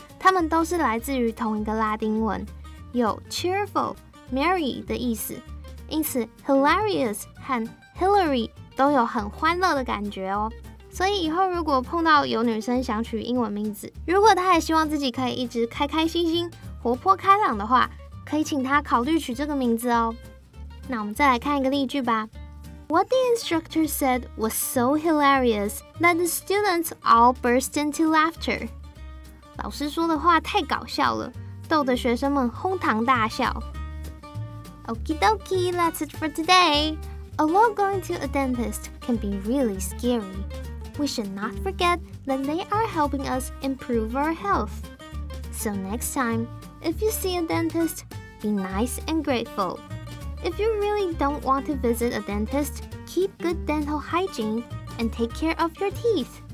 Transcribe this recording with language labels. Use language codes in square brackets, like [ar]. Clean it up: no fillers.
[zh] 它们都是来自于同一个拉丁文，有 cheerful、 merry 的意思，因此 hilarious 和 Hillary 都有很欢乐的感觉哦。所以以后如果碰到有女生想取英文名字，如果她也希望自己可以一直开开心心、活泼开朗的话，可以请她考虑取这个名字哦。那我们再来看一个例句吧。 [en] What the instructor said was so hilarious that the students all burst into laughter. [zh] 老师说的话太搞笑了，逗得学生们哄堂大笑。 [en] Okie dokie, that's it for today. Although going to a dentist can be really scary, we should not forget that they are helping us improve our health. So next time, if you see a dentist, be nice and grateful. If you really don't want to visit a dentist, keep good dental hygiene and take care of your teeth.